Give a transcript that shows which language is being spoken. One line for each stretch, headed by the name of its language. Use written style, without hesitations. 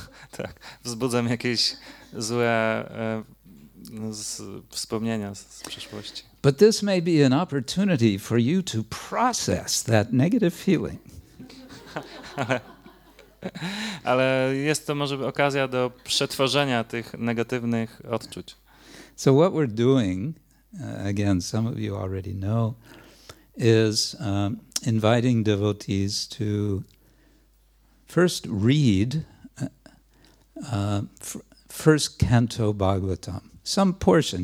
Polish: Tak, wzbudzam jakieś złe wspomnienia z przeszłości.
English: But this may be an opportunity for you to process that negative feeling.
Polish: Ale jest to może okazja do przetworzenia tych negatywnych odczuć.
English: So what we're doing, again, some of you already know, is inviting devotees to first read first canto Bhagavatam, some portion.